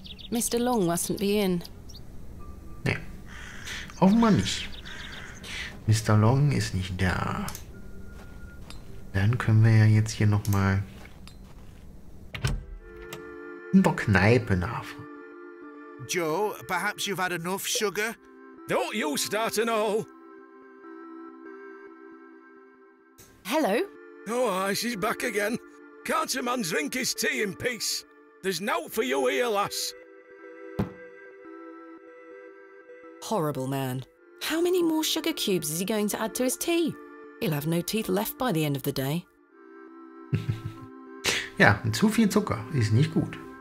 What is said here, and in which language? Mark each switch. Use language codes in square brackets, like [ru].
[en] Mr. Long mustn't be in. [de] Nee. Oh Mann. Mr. Long ist nicht da. Dann können wir ja jetzt hier nochmal in der Kneipe nachfragen. [en] Joe, perhaps you've had enough sugar? Don't you start and all. Hello. Oh, aye, she's back again. Can't a man drink his tea in peace? There's nought for you here, lass. Horrible man. How many more sugar cubes is he going to add to his tea? He'll have no teeth left by the end of the day. [de] Ja, zu viel Zucker ist nicht gut.